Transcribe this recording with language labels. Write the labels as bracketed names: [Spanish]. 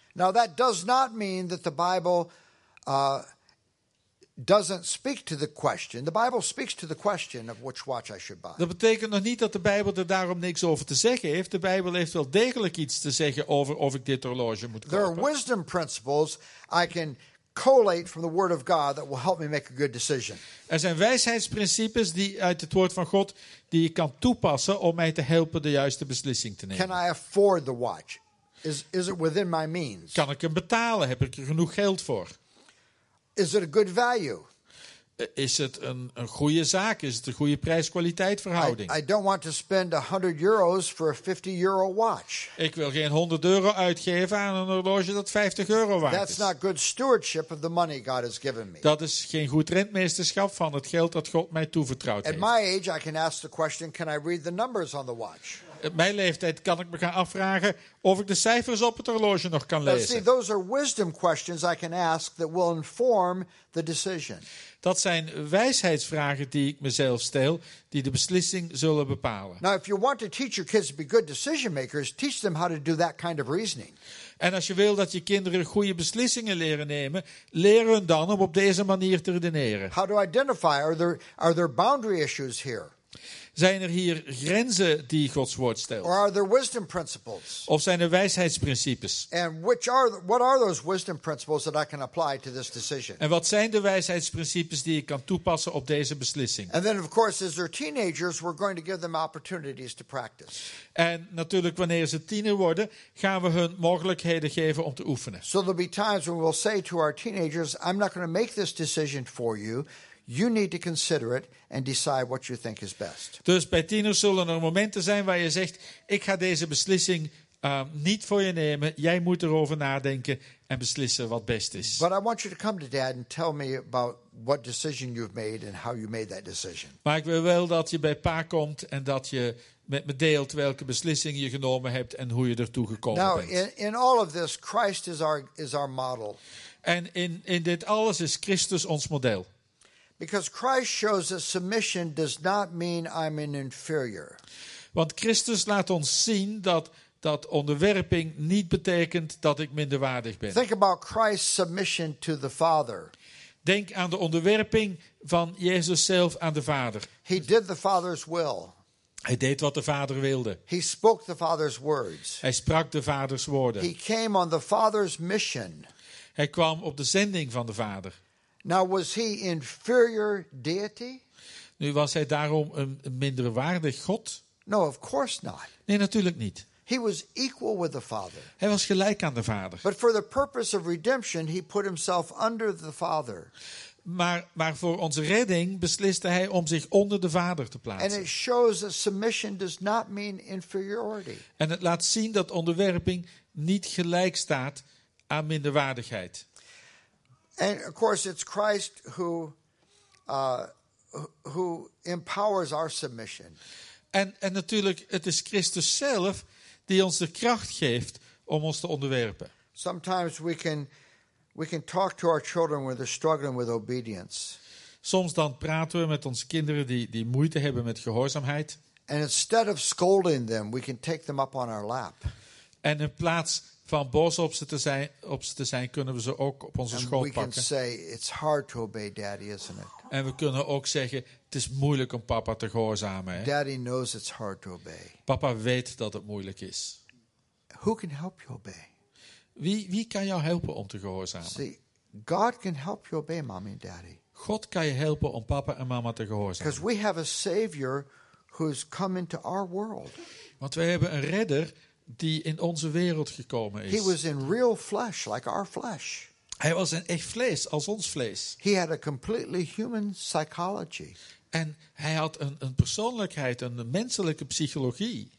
[English] Now that does not mean that the Bible doesn't speak to the question. The Bible speaks to the question of which watch I should buy. [Dutch] Dat betekent nog niet dat de Bijbel er daarom niks over te zeggen heeft. De Bijbel heeft wel degelijk iets te zeggen over of ik dit horloge moet kopen. [English] There are wisdom principles I can collate from the Word of God that will help me make a good decision. [Dutch] Er zijn wijsheidsprincipes die uit het woord van God die ik kan toepassen om mij te helpen de juiste beslissing te nemen. [English] Can I afford the watch? Is it within my means? [Dutch] Kan ik hem betalen? Heb ik er genoeg geld voor? [English] Is it a good value? [Dutch] Is het een goede zaak? Is het een goede prijs-kwaliteit verhouding? [English] I don't want to spend 100 euros for a 50 euro watch. [Dutch] Ik wil geen 100 euro uitgeven aan een horloge dat 50 euro waard is. [English] That's not good stewardship of the money God has given me. [Dutch] Dat is geen goed rentmeesterschap van het geld dat God mij toevertrouwd heeft. [English] At my age I can ask the question, can I read the numbers on the watch? [Dutch] Op mijn leeftijd kan ik me gaan afvragen of ik de cijfers op het horloge nog kan lezen. [English] See, those are wisdom questions I can ask that will inform the decision. [Dutch] Dat zijn wijsheidsvragen die ik mezelf stel, die de beslissing zullen bepalen. [English] Now, if you want to teach your kids to be good decision makers, teach them how to do that kind of reasoning. [Dutch] En als je wil dat je kinderen goede beslissingen leren nemen, leer hun dan om op deze manier te redeneren. [English] How to identify? Are there boundary issues here? [Dutch] Zijn er hier grenzen die Gods woord stelt? [English] Or are there wisdom principles? [Dutch] Of zijn er wijsheidsprincipes? [English] And what are those wisdom principles that I can apply to this decision? [Dutch] En wat zijn de wijsheidsprincipes die ik kan toepassen op deze beslissing? [English] And then of course as they're teenagers we're going to give them opportunities to practice. [Dutch] En natuurlijk wanneer ze tiener worden gaan we hun mogelijkheden geven om te oefenen. [English] So there'll be times when we'll say to our teenagers, I'm not going to make this decision for you. You need to consider it and decide what you think is best. [Dutch] Dus bij tieners zullen er momenten zijn waar je zegt, ik ga deze beslissing niet voor je nemen. Jij moet erover nadenken en beslissen wat best is. [English] But I want you to come to dad and tell me about what decision you've made and how you made that decision. [Dutch] Maar ik wil wel dat je bij pa komt en dat je met me deelt welke beslissing je genomen hebt en hoe je ertoe gekomen bent. [English] Now, in all of this, Christ is our model. [Dutch] En in dit alles is Christus ons model. [English] Because Christ shows that submission does not mean I'm an inferior. [Dutch] Want Christus laat ons zien dat onderwerping niet betekent dat ik minderwaardig ben. [English] Think about Christ's submission to the Father. [Dutch] Denk aan de onderwerping van Jezus zelf aan de Vader. [English] He did the Father's will. [Dutch] Hij deed wat de Vader wilde. [English] He spoke the Father's words. [Dutch] Hij sprak de Vaders woorden. [English] He came on the Father's mission. [Dutch] Hij kwam op de zending van de Vader. [English] Now was he inferior deity? [Dutch] Nu was hij daarom een minderwaardig god? [English] No, of course not. [Dutch] Nee, natuurlijk niet. [English] He was equal with the Father. [Dutch] Hij was gelijk aan de Vader. [English] But for the purpose of redemption, he put himself under the Father. [Dutch] Maar voor onze redding besliste hij om zich onder de Vader te plaatsen. [English] And it shows that submission does not mean inferiority. [Dutch] En het laat zien dat onderwerping niet gelijk staat aan minderwaardigheid. [English] And of course it's Christ who empowers our submission. [Dutch] En natuurlijk het is Christus zelf die ons de kracht geeft om ons te onderwerpen. [English] Sometimes we can talk to our children when they're struggling with obedience. [Dutch] Soms dan praten we met onze kinderen die moeite hebben met gehoorzaamheid. [English] And instead of scolding them, we can take them up on our lap. [Dutch] En in plaats van boos op ze te zijn, kunnen we ze ook op onze schoot pakken. [English] Say, it's hard to obey daddy, isn't it? [Dutch] En we kunnen ook zeggen, het is moeilijk om papa te gehoorzamen. Hè? [English] Daddy knows it's hard to obey. [Dutch] Papa weet dat het moeilijk is. [English] Who can help you obey? [Dutch] Wie kan jou helpen om te gehoorzamen? [English] See, God can help you obey, mommy and daddy. [Dutch] God kan je helpen om papa en mama te gehoorzamen. [English] Because we have a savior who's come into our world. [Dutch] Want we hebben een redder die in onze wereld gekomen is. [English] He was in real flesh, like our flesh. [Dutch] Hij was in echt vlees, als ons vlees. [English] He had a completely human psychology. [Dutch] En hij had een persoonlijkheid, een menselijke psychologie.